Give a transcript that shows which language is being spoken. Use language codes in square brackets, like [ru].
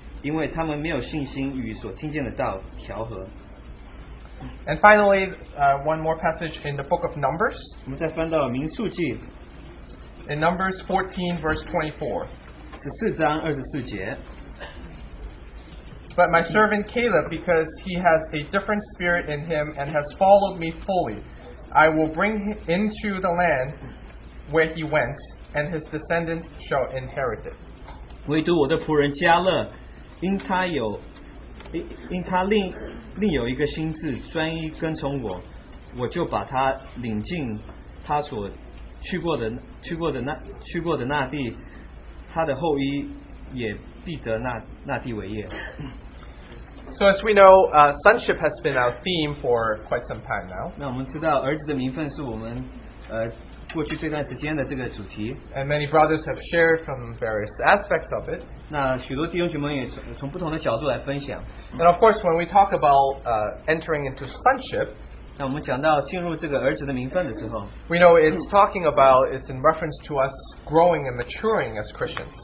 [zh] 因为他们没有信心与所听见的道调和。 [en] And finally, one more passage in the book of Numbers. [zh] 我们再翻到民数记。 [en] In Numbers 14:24. [zh] 14章24节。 [en] But my servant Caleb, because he has a different spirit in him and has followed me fully, I will bring him into the land where he went, and his descendants shall inherit it. [zh] 唯独我的仆人加勒。因他另有一个心志，专一跟从我，我就把他领进他所去过的那地，他的后裔也必得那地为业。 [en] So as we know, sonship has been our theme for quite some time now. [zh] 那我们知道儿子的名分是我们, [en] And many brothers have shared from various aspects of it. And of course, when we talk about entering into sonship, we know it's talking about, it's in reference to us growing and maturing as Christians.